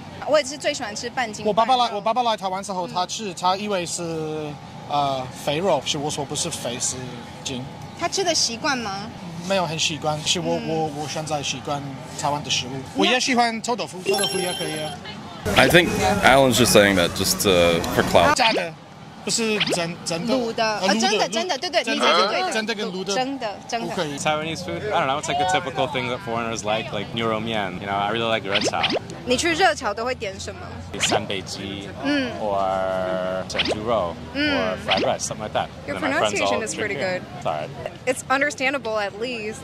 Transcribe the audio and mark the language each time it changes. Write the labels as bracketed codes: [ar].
[zh] 我也是最喜欢吃板筋。我爸爸来台湾之后，他以为是肥肉，是我说不是肥是筋。他吃的习惯吗？没有很习惯，是我现在习惯台湾的食物。我也喜欢臭豆腐，臭豆腐也可以啊。 [en] I think Alan's just saying that just for clout. [zh] 炸的，不是真真的卤的，真的真的，对对，你才是对的，真的跟卤的，真的真的。 [en] Taiwanese food, I don't know, it's like a typical thing that foreigners like [zh] 牛肉面. [en] You know, I really like 热炒. [zh] 你去热炒都会点什么？ [en] 三杯鸡，or 整猪肉，or fried rice, something like that. Your pronunciation is pretty good. Sorry. It's understandable at least.